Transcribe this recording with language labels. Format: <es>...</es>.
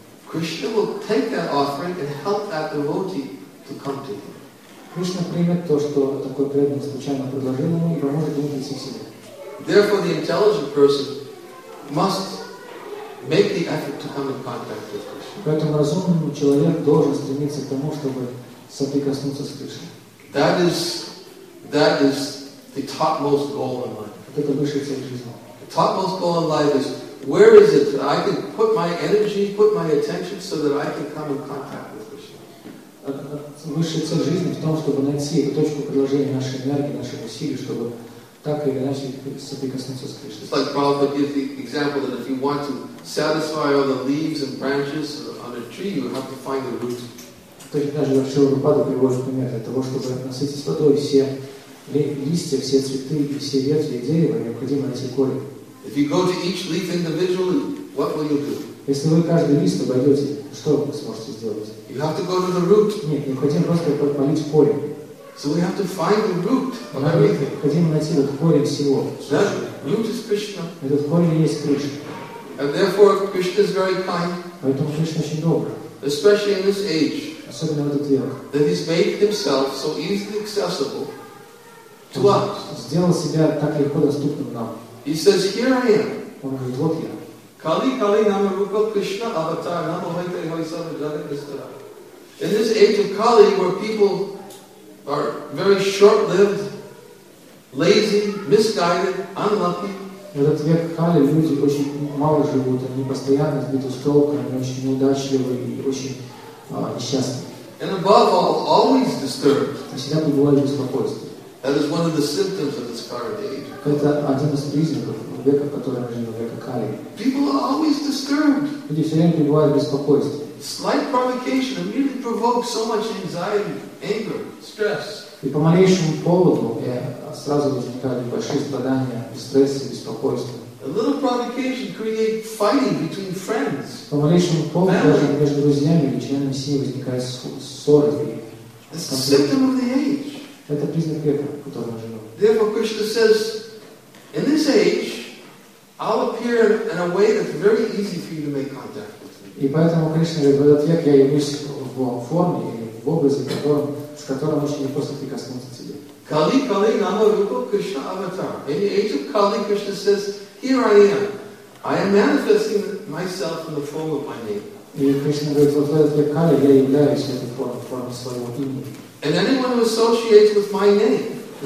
<en>Krishna will take that offering and help that devotee to come to Him.</en> <ru>Кришна примет то, что такой преданный случайно предложил ему, и поможет ему прийти к себе.</ru> <en>Therefore, the intelligent person must make the effort to come in contact with Krishna.</en> <ru>Поэтому разумному человек должен стремиться к тому, чтобы соприкоснуться с Кришной.</ru> <en>That is the topmost goal in life.</en> <ru>Вот это высшая цель жизни.</ru> <en>The topmost goal in life is where is it that I can put my energy, put my attention, so that I can come in contact with Krishna.</en> <ru>Высшая цель жизни в том, чтобы найти эту точку приложения нашей энергии, наших усилий, чтобы так или иначе соприкоснуться с Кришной.</ru> <en>It's like Prabhupada gives the example that if you want to satisfy all the leaves and branches on a tree, you have to find the root.</en> <ru>То есть даже вообще Прабхупада приводит пример для того, чтобы насытить водой все листья, все цветы и все ветви дерева, необходимо найти корень.</ru> <en>If you go to each leaf individually, what will you do?</en> <ru>Если вы каждый лист обойдете, что вы сможете сделать?</ru> <en>You have to go to the root.</en> <ru>Нет, необходимо просто полить корень.</ru> <en>So we have to find the root of everything.</en> <ru>Необходимо найти этот корень всего.</ru> <en>That root is Krishna.</en> <ru>Этот корень есть Кришна.</ru> <en>And therefore, Krishna is very kind.</en> <ru>Поэтому Кришна очень добр.</ru> <en>Especially in this age.</en> <ru>Особенно в этот век.</ru> <en>That He's made Himself so easily accessible to us.</en> <ru>Сделал себя так легко доступным нам.</ru> <en>He says, "Here I am."</en> <ru>Он говорит, вот я.</ru> <sa>Kali Kali Nama Rupa Krishna Avatar Nama Vaita Vaisava Jagat Vistara.</sa> <en>In this age of Kali, where people are very short-lived, lazy, misguided, unlucky.</en> <ru>В этот век Кали люди очень мало живут, они постоянно сбиты с толку, они очень неудачливы и очень несчастны.</ru> <en>And above all, always disturbed.</en> <ru>И всегда пребывают в беспокойстве.</ru> <en>That is one of the symptoms of this current age.</en> <ru>Это один из признаков века, в котором мы живем, века Кали.</ru> <en>People are always disturbed.</en> <ru>Люди все время пребывают в беспокойстве.</ru> <en>Slight provocation immediately provokes so much anxiety, anger, stress.</en> <ru>И по малейшему поводу сразу возникают большие страдания, стресс и беспокойство.</ru> <en>A little provocation create fighting between friends.</en> <ru>По малейшему поводу даже между друзьями или членами семьи возникает ссоры.</ru> <en>It's a symptom of the age.</en> <ru>Это признак века, в котором мы живем.</ru> <en>Therefore, Krishna says, in this age, I'll appear in a way that's very easy for you to make contact with.</en> <ru>И поэтому, конечно же, в этот век я явлюсь в форме и в образе, с которым очень легко соприкоснуться к себе.</ru> <sa>Kali Kali Nama Rupa Krishna Avatar.</sa> <en>In the age of Kali, Krishna says, here I am. I am manifesting myself in the form of my name.</en> <ru>И Кришна говорит, вот в этот век Кали я являюсь в этой форме своего имени.</ru> <en>And anyone who associates with my name,</en>